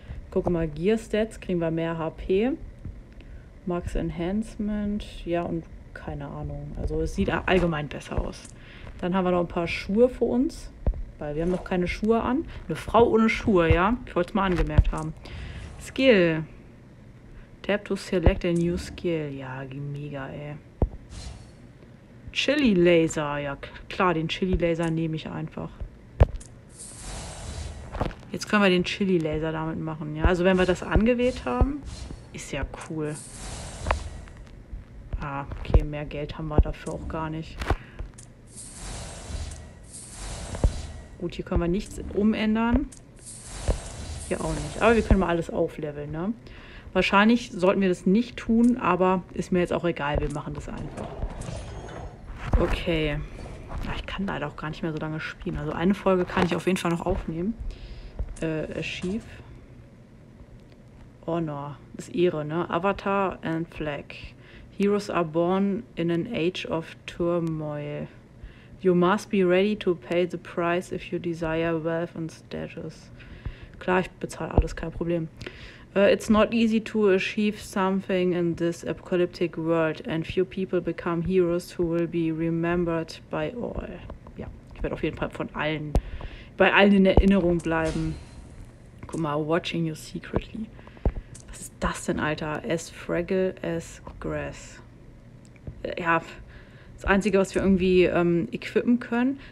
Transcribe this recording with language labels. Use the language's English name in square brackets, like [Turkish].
[German] Gucke mal, Gear Stats. Kriegen wir mehr HP. Max Enhancement. Ja, und... Keine Ahnung. Also es sieht allgemein besser aus. Dann haben wir noch ein paar Schuhe für uns. Weil wir haben noch keine Schuhe an. Eine Frau ohne Schuhe, ja? Ich wollte es mal angemerkt haben. [English] Skill. Tap to select a new skill. [German] Ja, mega, ey. Chili Laser. Ja, klar, den Chili Laser nehme ich einfach. Jetzt können wir den Chili Laser damit machen, ja? Also wenn wir das angewählt haben, ist ja cool. Ah, okay, mehr Geld haben wir dafür auch gar nicht. Gut, hier können wir nichts umändern. Hier auch nicht. Aber wir können mal alles aufleveln, ne? Wahrscheinlich sollten wir das nicht tun, aber ist mir jetzt auch egal. Wir machen das einfach. Okay. Ach, ich kann leider auch gar nicht mehr so lange spielen. Also eine Folge kann ich auf jeden Fall noch aufnehmen. Schief. Honor. Das ist Ehre, ne? [English] Avatar and Flag. Heroes are born in an age of turmoil. You must be ready to pay the price if you desire wealth and status. [German] Klar, ich bezahle alles, kein Problem. [English] It's not easy to achieve something in this apocalyptic world and few people become heroes who will be remembered by all. [German] Ja, ich werde auf jeden Fall von allen, bei allen in Erinnerung bleiben. Guck mal, [English] watching you secretly. [German] Was ist das denn, Alter? [English] As fragile as grass. [German] Ja, das Einzige, was wir irgendwie equippen können.